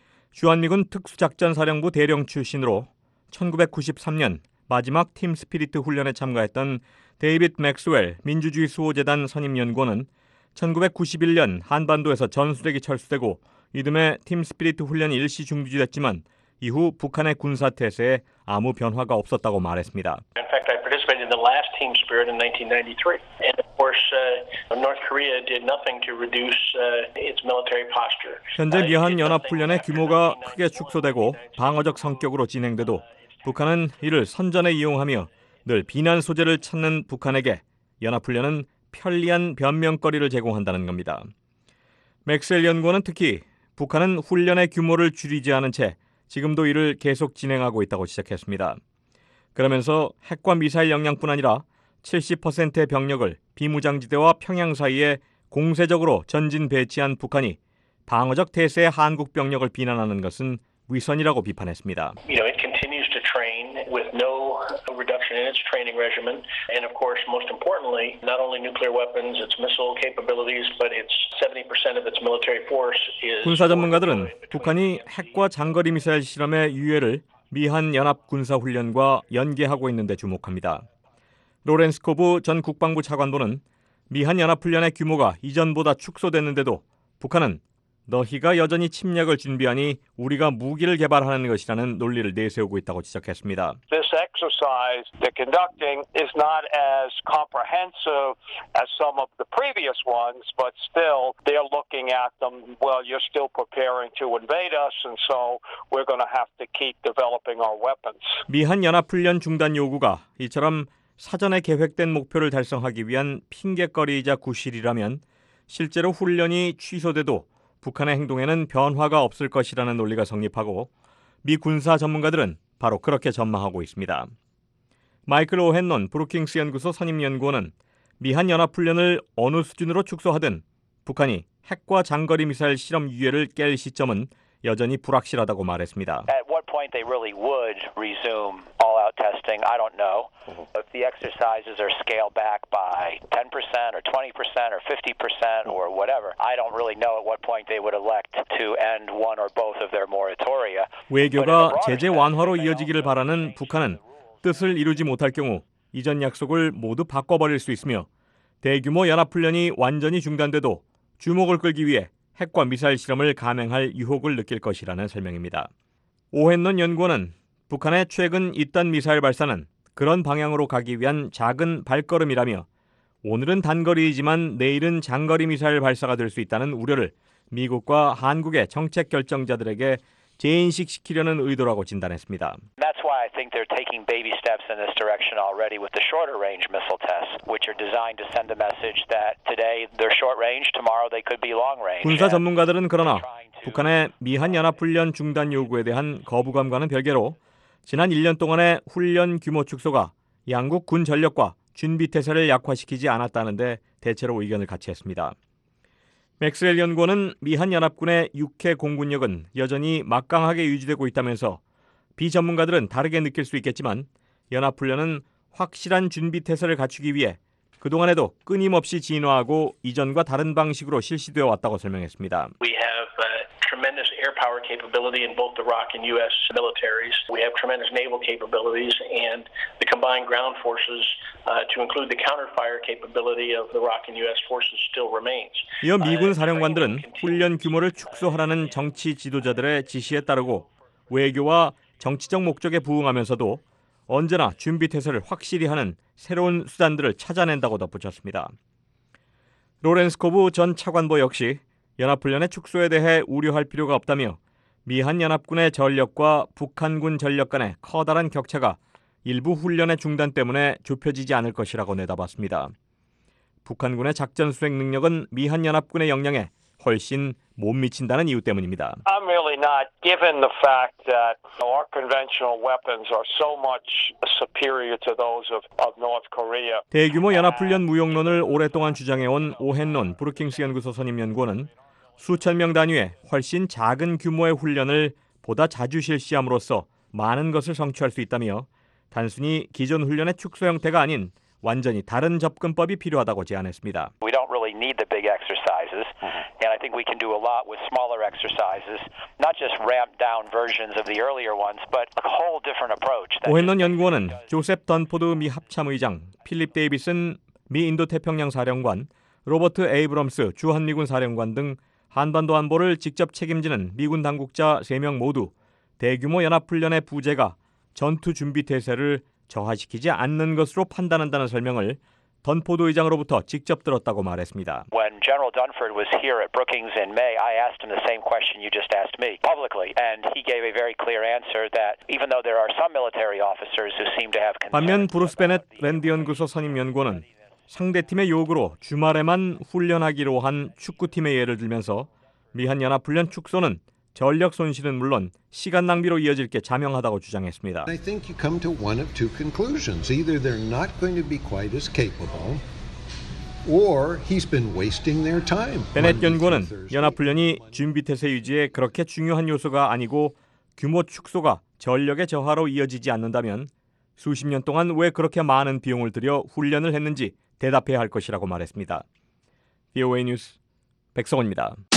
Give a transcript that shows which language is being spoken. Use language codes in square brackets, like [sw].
[ko] 주한미군 특수작전사령부 대령 출신으로 1993년 마지막 팀 스피릿 훈련에 참가했던 데이빗 맥스웰 민주주의 수호재단 선임연구원은 1991년 한반도에서 전술핵이 철수되고 이듬해 팀 스피릿 훈련이 일시 중지됐지만 이후 북한의 군사 태세에 아무 변화가 없었다고 말했습니다. [en] In fact, I participated in the last Team Spirit in 1993. And of course, North Korea did nothing to reduce its military posture. [ko] 현재 미한 연합 훈련의 규모가 크게 축소되고 방어적 성격으로 진행돼도 북한은 이를 선전에 이용하며 늘 비난 소재를 찾는 북한에게 연합 훈련은 편리한 변명거리를 제공한다는 겁니다. 맥스웰 연구원은 특히 북한은 훈련의 규모를 줄이지 않은 채 지금도 이를 계속 진행하고 있다고 지적했습니다. 그러면서 핵과 미사일 역량뿐 아니라 70%의 병력을 비무장지대와 평양 사이에 공세적으로 전진 배치한 북한이 방어적 태세의 한국 병력을 비난하는 것은 위선이라고 비판했습니다. [en] With no reduction in its training regimen, and of course, most importantly, not only nuclear weapons, its missile capabilities, but its 70% of its military force is. [ko] 군사 전문가들은 북한이 핵과 장거리 미사일 실험의 유예를 미한 연합 군사 훈련과 연계하고 있는데 주목합니다. 로렌스 코브 전 국방부 차관보는 미한 연합 훈련의 규모가 이전보다 축소됐는데도 북한은 너희가 여전히 침략을 준비하니 우리가 무기를 개발하는 것이라는 논리를 내세우고 있다고 지적했습니다. [en] This exercise they're conducting is not as comprehensive as some of the previous ones, but still they're looking at them. Well, you're still preparing to invade us, and so we're going to have to keep developing our weapons. [ko] 미한 연합 훈련 중단 요구가 이처럼 사전에 계획된 목표를 달성하기 위한 핑계거리이자 구실이라면 실제로 훈련이 취소돼도 북한의 행동에는 변화가 없을 것이라는 논리가 성립하고 미 군사 전문가들은 바로 그렇게 전망하고 있습니다. 마이클 오헨논 브루킹스 연구소 선임연구원은 미한 연합훈련을 어느 수준으로 축소하든 북한이 핵과 장거리 미사일 실험 유예를 깰 시점은 여전히 불확실하다고 말했습니다. [en] At what point they really would resume all-out testing, I don't know. If the exercises are scaled back by 10% or 20% or 50% or whatever, I don't really know at what point they would elect to end one or both of their moratoria. [ko] 외교가 제재 완화로 이어지기를 바라는 북한은 뜻을 이루지 못할 경우 이전 약속을 모두 바꿔버릴 수 있으며 대규모 연합훈련이 완전히 중단돼도 주목을 끌기 위해 핵과 미사일 실험을 감행할 유혹을 느낄 것이라는 설명입니다. 오헨논 연구원은 북한의 최근 잇단 미사일 발사는 그런 방향으로 가기 위한 작은 발걸음이라며 오늘은 단거리이지만 내일은 장거리 미사일 발사가 될 수 있다는 우려를 미국과 한국의 정책 결정자들에게 재인식시키려는 의도라고 진단했습니다. [en] That's why I think they're taking baby steps in this direction already with the shorter range missile tests, which are designed to send a message that today they're short range, tomorrow they could be long range. [ko] 군사 전문가들은 그러나 북한의 미한 연합 훈련 중단 요구에 대한 거부감과는 별개로 지난 1년 동안의 훈련 규모 축소가 양국 군 전력과 준비 태세를 약화시키지 않았다는 데 대체로 의견을 같이 했습니다. 맥스웰 연구원은 미한연합군의 육해 공군력은 여전히 막강하게 유지되고 있다면서 비전문가들은 다르게 느낄 수 있겠지만 연합훈련은 확실한 준비태세를 갖추기 위해 그동안에도 끊임없이 진화하고 이전과 다른 방식으로 실시되어 왔다고 설명했습니다. [en] We have tremendous air power capability in both the ROC and U.S. militaries. We have tremendous naval capabilities and the combined ground forces to include the counterfire capability of the ROC and U.S. forces still remains. [ko] 이어 미군 사령관들은 훈련 규모를 축소하라는 정치 지도자들의 지시에 따르고 외교와 정치적 목적에 부응하면서도 언제나 준비태세를 확실히 하는 새로운 수단들을 찾아낸다고 덧붙였습니다. 로렌스 코브 전 차관보 역시 연합훈련의 축소에 대해 우려할 필요가 없다며 미한 연합군의 전력과 북한군 전력 간의 커다란 격차가 일부 훈련의 중단 때문에 좁혀지지 않을 것이라고 내다봤습니다. 북한군의 작전 수행 능력은 미한 연합군의 역량에 훨씬 못 미친다는 이유 때문입니다. [en] I'm really not given the fact that our conventional weapons are so much superior to those of North Korea. [ko] 대규모 연합훈련 무용론을 오랫동안 주장해온 오헨론 브루킹스 연구소 선임 연구원은 수천 명 단위의 훨씬 작은 규모의 훈련을 보다 자주 실시함으로써 많은 것을 성취할 수 있다며 단순히 기존 훈련의 축소 형태가 아닌 완전히 다른 접근법이 필요하다고 제안했습니다. [en] We don't really need the big exercises. And I think we can do a lot with smaller exercises, not just ramped down versions of the earlier ones, but a whole different approach. [ko] 오헨론 연구원은 조셉 던포드 미 합참의장, 필립 데이비슨 미 인도태평양 사령관, 로버트 에이브럼스 주한미군 사령관 등 한반도 안보를 직접 책임지는 미군 당국자 3명 모두 대규모 연합훈련의 부재가 전투 준비 태세를 저하시키지 않는 것으로 판단한다는 설명을 던포드 의장으로부터 직접 들었다고 말했습니다. [en] When General Dunford was here at Brookings in May, I asked him the same question you just asked me publicly, and he gave a very clear answer that even though there are some military officers who seem to have concerns. [ko] 반면 브루스 베넷 랜디 연구소 선임 연구원은 상대팀의 요구로 주말에만 훈련하기로 한 축구팀의 예를 들면서 미한 연합 훈련 축소는 전력 손실은 물론 시간 낭비로 이어질 게 자명하다고 주장했습니다. [en] I think you come to one of two conclusions. Either they're not going to be quite as capable, or he's been wasting their time. [ko] 베넷 연구원은 연합훈련이 준비태세 유지에 그렇게 중요한 요소가 아니고 규모 축소가 전력의 저하로 이어지지 않는다면 수십 년 동안 왜 그렇게 많은 비용을 들여 훈련을 했는지 대답해야 할 것이라고 말했습니다. VOA 뉴스 백성원입니다.